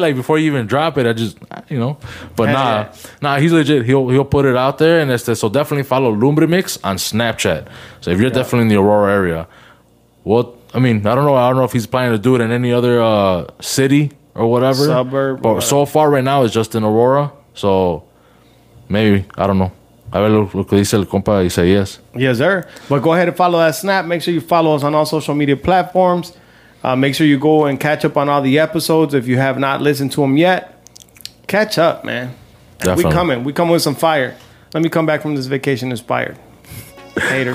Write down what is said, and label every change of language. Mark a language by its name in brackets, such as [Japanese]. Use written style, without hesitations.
[English] Like before you even drop it, I just he's legit. He'll put it out there, and so definitely follow Lumbre Mix on Snapchat. So if you're definitely in the Aurora area, I don't know if he's planning to do it in any other city or whatever. Suburb. But so far right now it's just in Aurora. So maybe, I don't know. [Spanish] A ver lo que dice el compa y [English] say yes. Yes, sir. But go ahead and follow that Snap. Make sure you follow us on all social media platforms. Make sure you go and catch up on all the episodes if you have not listened to them yet. Catch up, man. Definitely. We coming with some fire. Let me come back from this vacation inspired. Haters.